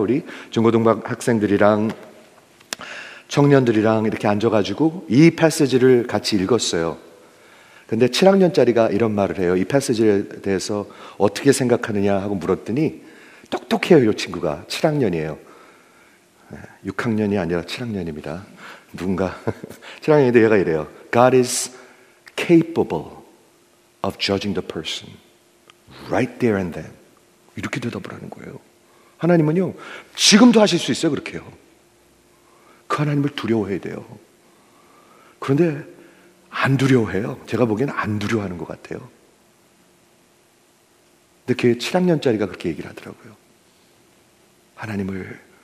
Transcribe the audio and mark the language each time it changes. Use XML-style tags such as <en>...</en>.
<ko>우리 중고등학 학생들이랑 청년들이랑 이렇게 앉아가지고 이 패시지를 같이 읽었어요. 근데 7학년짜리가 이런 말을 해요. 이 패시지에 대해서 어떻게 생각하느냐 하고 물었더니 똑똑해요, 이 친구가. 7학년이에요. 6학년이 아니라 7학년입니다. 누군가. 7학년인데 얘가 이래요.</ko> <en>God is capable of judging the person right there and then.</en> <ko>이렇게 대답을 하는 거예요. 하나님은요, 지금도 하실 수 있어요, 그렇게요. 그 하나님을 두려워해야 돼요. 그런데 안 두려워해요. 제가 보기엔 안 두려워하는 것 같아요. 근데 그 7학년짜리가 그렇게 얘기를 하더라고요. 하나님을</ko>